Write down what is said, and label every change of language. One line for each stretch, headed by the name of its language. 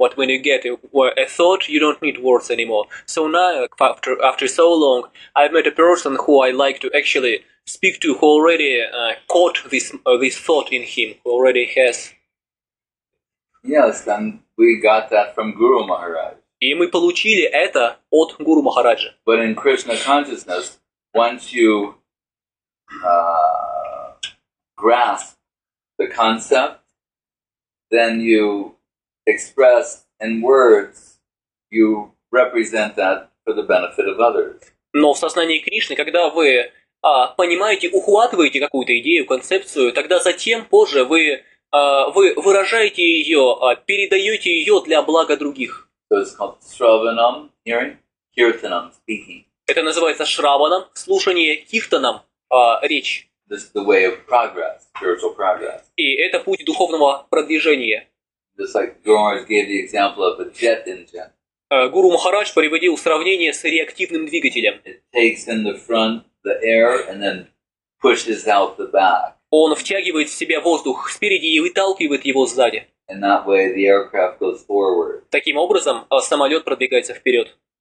English: But when you get a thought, you don't need words anymore. So now, after so long, I've met a person who I like to actually speak to, who already caught this thought in him, who already has... Yes, and we got that from Guru Maharaj.
Russian: И мы получили это от Гуру Махараджа.
English: But in Krishna consciousness, once you grasp the concept, then you express in words, you represent that for the benefit of others.
Russian: Но в сознании Кришны, когда вы понимаете, ухватываете какую-то идею, концепцию, тогда затем позже вы выражаете ее, передаете ее для блага других.
English: So it's called shravanam, hearing, kirtanam, speaking.
Russian: Это называется шраванам, слушание, киртанам, речь.
English: This is the way of progress, spiritual progress.
Russian: И это путь духовного продвижения.
English: Just like Guru Maharaj gave the example of a jet engine.
Russian: Гуру Махарадж приводил сравнение с реактивным двигателем.
English: It takes in the front the air and then pushes out the back.
Russian: Он втягивает в себя воздух спереди и выталкивает его сзади.
English: In that way, the aircraft goes forward.
Russian: Таким образом, самолет продвигается вперед.